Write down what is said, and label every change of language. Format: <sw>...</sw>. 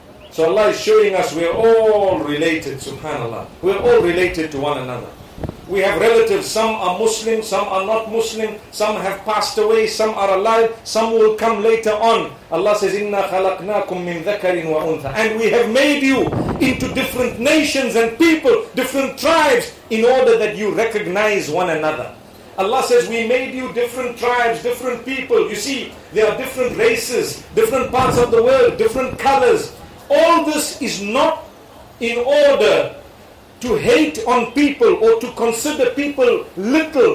<en>So Allah is showing us we are all related, subhanAllah. We are all related to one another. We have relatives, some are Muslim, some are not Muslim, some have passed away, some are alive, some will come later on. Allah says,</en> <ar>إِنَّا خَلَقْنَاكُمْ مِنْ ذَكَرٍ وَأُنْثَىٰ.</ar> <en>And we have made you into different nations and people, different tribes, in order that you recognize one another. Allah says, we made you different tribes, different people. You see, there are different races, different parts of the world, different colors. All this is not in order to hate on people or to consider people little.</en>